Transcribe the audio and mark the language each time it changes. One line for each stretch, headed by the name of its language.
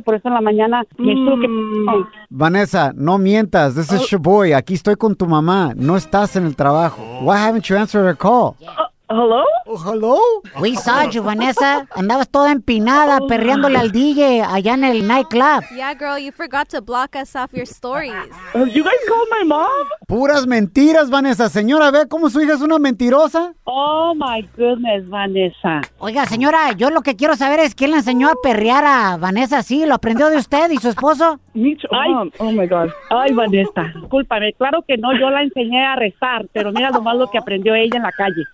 Spanish: Por eso en la mañana me estuve que... Vanessa, no mientas.
English: This is Shaboy.
Spanish: Aquí estoy con tu mamá. No estás en el trabajo.
English: Why haven't you answered her call? Hello? Hello? We saw you, Vanessa.
Spanish: Andabas toda empinada, perreándole al DJ allá en el nightclub.
English: Yeah, girl, you forgot to block us off your stories. You guys called my mom?
Spanish: Puras mentiras, Vanessa. Señora, ve cómo su hija es una mentirosa.
English: Oh, my goodness, Vanessa.
Spanish: Oiga, señora, yo lo que quiero saber es quién le enseñó a perrear a Vanessa. Sí, lo aprendió de usted y su esposo.
English: Oh, my God.
Spanish: Ay, Vanessa, discúlpame. Claro que no, yo la enseñé a rezar, pero mira lo malo que aprendió ella en la calle.